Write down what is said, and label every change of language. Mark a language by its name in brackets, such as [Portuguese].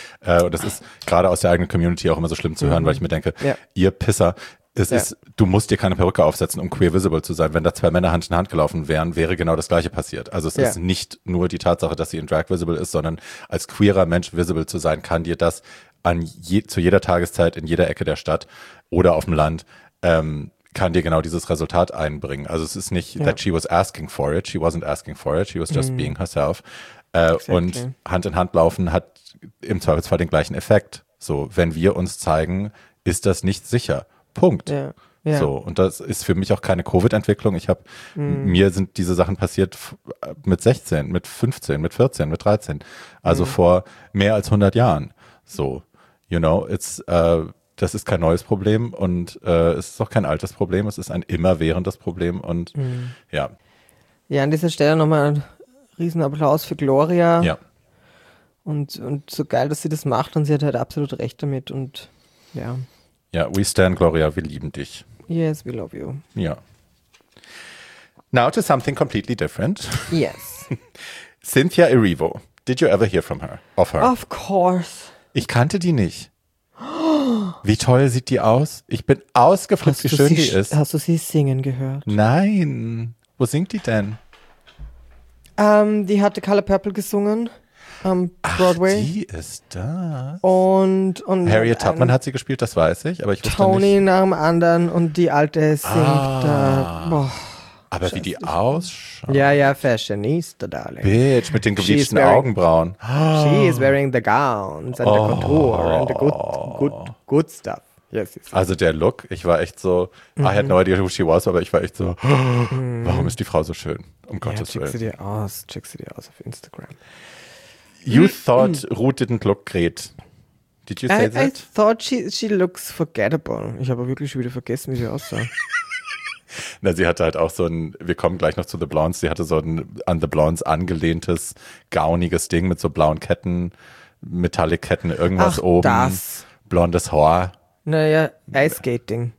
[German] Und das ist gerade aus der eigenen Community auch immer so schlimm zu hören, weil ich mir denke, ihr Pisser, du musst dir keine Perücke aufsetzen, um queer visible zu sein. Wenn da zwei Männer Hand in Hand gelaufen wären, wäre genau das Gleiche passiert. Also es ist nicht nur die Tatsache, dass sie in Drag visible ist, sondern als queerer Mensch visible zu sein, kann dir das zu jeder Tageszeit in jeder Ecke der Stadt oder auf dem Land kann dir genau dieses Resultat einbringen. Also es ist nicht, [English] that she was asking for it, she wasn't asking for it, she was just being herself. [German] Und Hand in Hand laufen hat im Zweifelsfall den gleichen Effekt. So, wenn wir uns zeigen, ist das nicht sicher. Punkt. Ja. So, und das ist für mich auch keine Covid-Entwicklung. Ich habe mir sind diese Sachen passiert mit 16, mit 15, mit 14, mit 13. Also vor mehr als 100 Jahren. [English] So, you know, it's [German] das ist kein neues Problem und es ist auch kein altes Problem, es ist ein immerwährendes Problem und ja. Ja, an dieser Stelle nochmal ein Riesenapplaus für Gloria. Ja. Und so geil, dass sie das macht und sie hat halt absolut recht damit und ja. Ja, [English] we stand, [German] Gloria, wir lieben dich. [English] Yes, we love you. [German] Ja. [English] Now to something completely different. Yes. Cynthia Erivo, did you ever hear from her? Of her? Of course. [German] Ich kannte die nicht. Wie toll sieht die aus? Ich bin ausgeflippt, wie schön die ist. Hast du sie singen gehört? Nein. Wo singt die denn? Die hat The Color Purple gesungen am Broadway. Ach, die ist das. Und Harriet Tubman hat sie gespielt, das weiß ich. Aber ich wusste Tony nicht. Nach dem anderen und die Alte singt. Ah. Aber wie die ausschaut. Ja, ja, Fashionista, darling. Bitch, mit den gebleachten Augenbrauen. [English] She is wearing the gowns and the contour and the good stuff. Yes, yes. [German] Also der Look, ich war echt so, [English] I had no idea who she was, [German] aber ich war echt so, warum ist die Frau so schön? Um Gottes Willen. Check sie dir aus. Check sie dir aus auf Instagram. [English] You thought Ruth didn't look great. Did you say that? I thought she looks forgettable. [German] Ich habe wirklich schon wieder vergessen, wie sie aussah. Na, sie hatte halt auch so ein, wir kommen gleich noch zu The Blondes, sie hatte so ein an The Blondes angelehntes, gauniges Ding mit so blauen Ketten, Metallic-Ketten, irgendwas Ach, oben. Das. Blondes Haar. Naja, Ice-Skating.